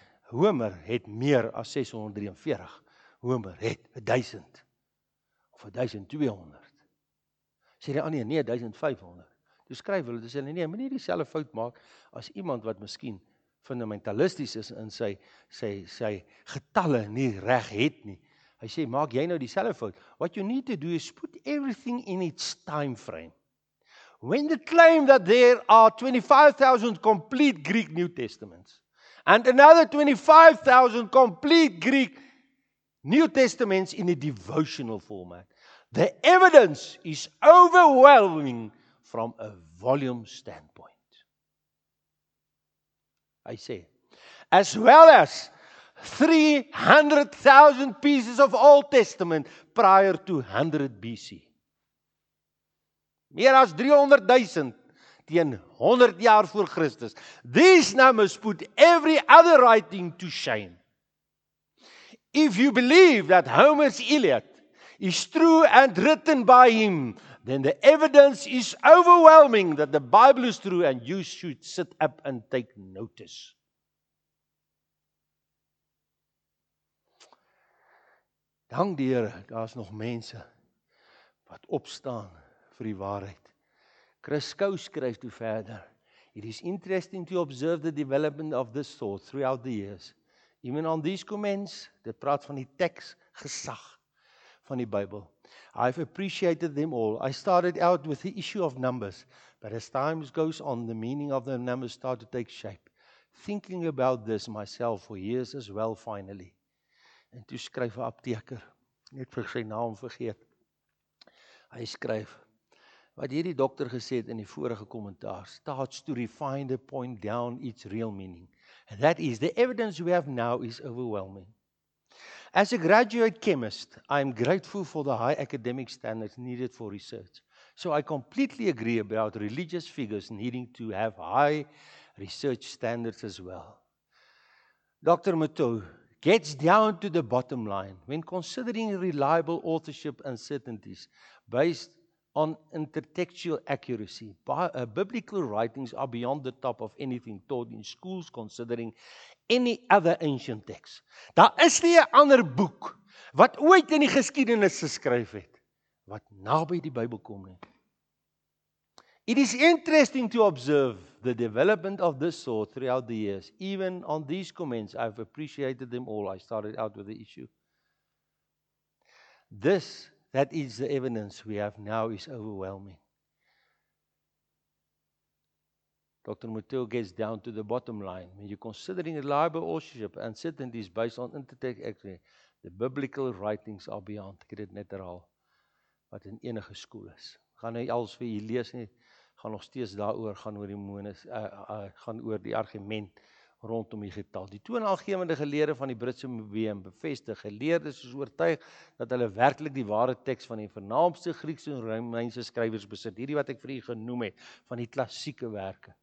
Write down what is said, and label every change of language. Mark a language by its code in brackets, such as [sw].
[af] Homer het meer as 643. Homer het 1000 vir 1200. Sê die ander, nee, 1500. Toe skryf hulle, dis hulle nee, moenie dieselfde fout maak as iemand wat miskien fundamentalisties is in sy getalle nie reg het nie. Hy sê, maak jy nou dieselfde fout. [en] What you need to do is put everything in its time frame. When they claim that there are 25,000 complete Greek New Testaments and another 25,000 complete Greek New Testaments in a devotional format, the evidence is overwhelming from a volume standpoint. I say, as well as 300,000 pieces of Old Testament prior to 100 BC. [af] Meer as 300,000 teen 100 jaar voor Christus. [en] These numbers put every other writing to shame. If you believe that Homer's Iliad is true and written by him, then the evidence is overwhelming that the Bible is true and you should sit up and take notice. [af] Dank die Here, daar's nog mense wat opstaan vir die waarheid. Chris Kou skryf toe verder. [en] It is interesting to observe the development of this thought throughout the years. Even on these comments, [af] dit praat van die teks gesag van die Bybel. [en] I've appreciated them all. I started out with the issue of numbers, but as time goes on, the meaning of the numbers start to take shape. Thinking about this myself for years as well, finally. [af] En toe skryf 'n apteker, net vir sy naam vergeet. Hy skryf, wat hierdie dokter gesê het in die vorige kommentaar, [en] starts to refine the point down its real meaning. And that is, the evidence we have now is overwhelming. As a graduate chemist, I am grateful for the high academic standards needed for research. So I completely agree about religious figures needing to have high research standards as well. Dr. Mutu gets down to the bottom line when considering reliable authorship uncertainties based on intertextual accuracy. Biblical writings are beyond the top of anything taught in schools considering any other ancient text. [af] Daar is nie 'n ander boek wat ooit in die geskiedenis geskryf het wat naby die Bybel kom nie. [en] It is interesting to observe the development of this thought throughout the years. Even on these comments, I've appreciated them all. I started out with the issue. This, that is the evidence we have now, is overwhelming. Dr. Mutu gets down to the bottom line. When you're considering reliable authorship and certainties based on intertextual, the biblical writings are beyond. [af] Ek het dit net herhaal, wat in enige skool is. Gaan nie als vir jy lees nie, gaan nog steeds daaroor, gaan oor die monus, gaan oor die argument rondom die getal. Die toonaangewende geleerde van die Britse museum bevestig, geleerdes is oortuig dat hulle werklik die ware teks van die vernaamste Griekse en Romeinse skrywers besit, hierdie wat ek vir u genoem het, van die klassieke werke.